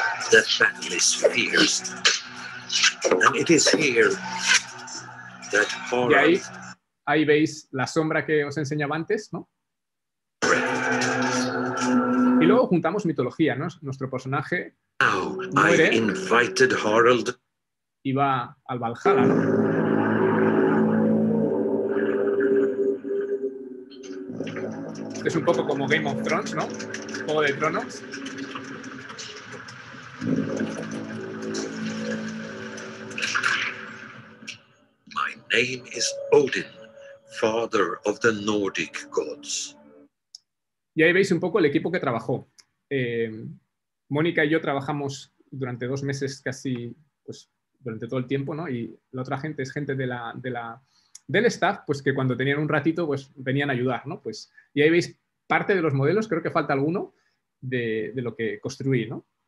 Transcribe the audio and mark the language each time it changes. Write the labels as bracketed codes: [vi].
[en] The family is fierce, and it is here that Thorald. [es] Y ahí veis la sombra que os enseñaba antes, ¿no? Y luego juntamos mitología, ¿no? Nuestro personaje muere. [en] I invited Thorald. [es] Y va al Valhalla, ¿no? Este es un poco como Game of Thrones, ¿no? Juego de Tronos. [en] My name is Odin, father of the Nordic gods. [es] Y ahí veis un poco el equipo que trabajó. Mónica y yo trabajamos durante 2 meses casi, pues durante todo el tiempo, ¿no? Y la otra gente es gente del staff, pues que cuando tenían un ratito, pues venían a ayudar, ¿no? Pues, y ahí veis parte de los modelos, creo que falta alguno de lo que construí, ¿no?